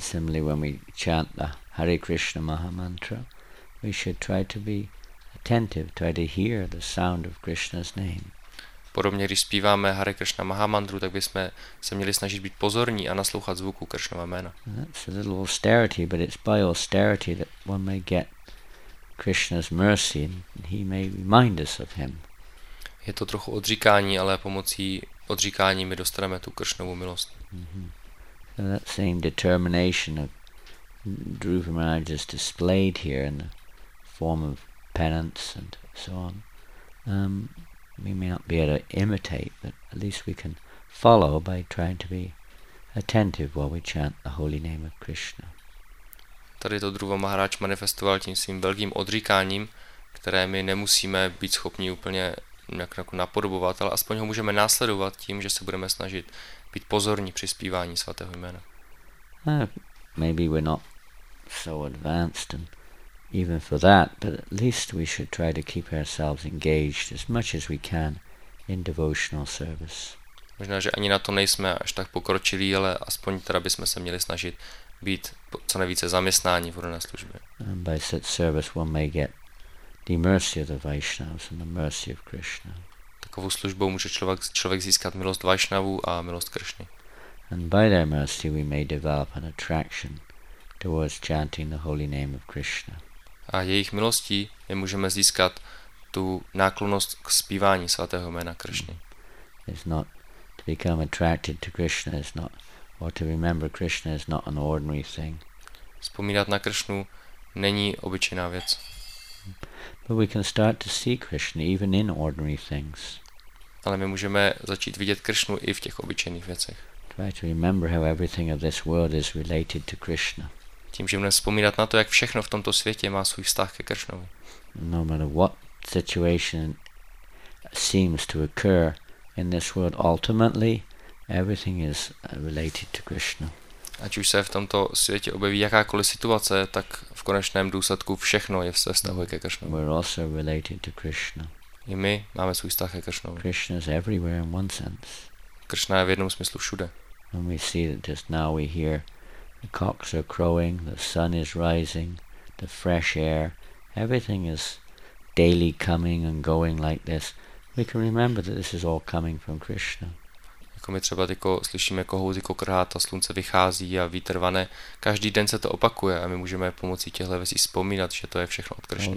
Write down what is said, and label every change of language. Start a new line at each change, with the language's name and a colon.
English: Similarly, when we chant the Hare Krishna Maha Mantra, we should try to be attentive, try to hear the sound of Krishna's name.
Czech: Podobně, když zpíváme Hare Krishna Mahamandru, tak bychom se měli snažit být pozorní a naslouchat zvuku Krishnova jména.
English: That's a little austerity, but it's by austerity that one may get Krishna's mercy and he may remind us of him.
Czech: Je to trochu odříkání, ale pomocí odříkání my dostaneme tu Krishnovu milost.
English: So that same determination of Dhruva Maharaj is displayed here in the form of penance and so on. We may not be able to imitate, but at least we can follow by trying to be attentive while we chant the holy name of Krishna.
Czech: Tady to Dhruva Maharaj manifestoval tím svým velkým odříkáním, které my nemusíme být schopni úplně napodobovat, ale aspoň ho můžeme následovat tím, že se budeme snažit být pozorní při zpívání svatého jména.
English: Maybe we're not so advanced and even for that, but at least we should try to keep ourselves engaged as much as we can in devotional service.
Czech: Možná, že ani na to nejsme až tak pokročilí, ale aspoň teda bychom se měli snažit být co nejvíce zaměstnání v rodné službě.
English: And by such service one may get the mercy of the Vaishnavas and the mercy of Krishna.
Czech: Takovou službou může člověk získat milost Vaishnavu a milost Krishny.
English: And by their mercy we may develop an attraction towards chanting the holy name of Krishna.
Czech: A jejich milostí my můžeme získat tu náklonnost k zpívání svatého jména Krishny.
English: It's not to become attracted to Krishna, it's not, or to remember Krishna is not an ordinary thing.
Czech: Vzpomínat na Krishnu není obyčejná věc.
English: But we can start to see Krishna even in ordinary things.
Czech: Ale my můžeme začít vidět Krishnu i v těch obyčejných věcech.
English: Try to remember how everything of this world is related to Krishna.
Czech: Tím, že můžeme vzpomínat na to, jak všechno v tomto světě má svůj vztah ke Kršnovi.
English: No matter what situation seems to occur in this world, ultimately Everything is related to Krishna.
Czech: Ať už se v tomto světě objeví jakákoliv situace, tak v konečném důsledku všechno je se vztahuje ke Krishnovi.
English: We're also related to Krishna.
Czech: I my máme svůj vztah ke Krishnovi.
English: Krishna is everywhere in one sense.
Czech: Krishna je v jednom smyslu všude.
English: When we see that just now we hear the cocks are crowing, the sun is rising, the fresh air, everything is daily coming and going like this. We can remember that this is all coming from Krishna.
Czech: Jako my třeba tyko slyšíme kohouty, kokrhát a slunce vychází a vítr vane. Každý den se to opakuje a my můžeme pomocí těchto věcí vzpomínat, že to je všechno od Krishny.